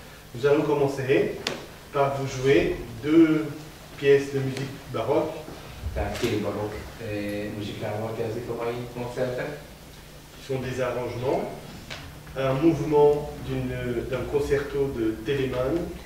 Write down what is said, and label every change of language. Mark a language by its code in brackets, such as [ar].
[fr] Nous allons commencer par vous jouer deux pièces de musique baroque. [hu] Tehát két barokk muzsikával kezdik a mai koncertet. [fr] Sont des arrangements, un mouvement d'un concerto de Telemann.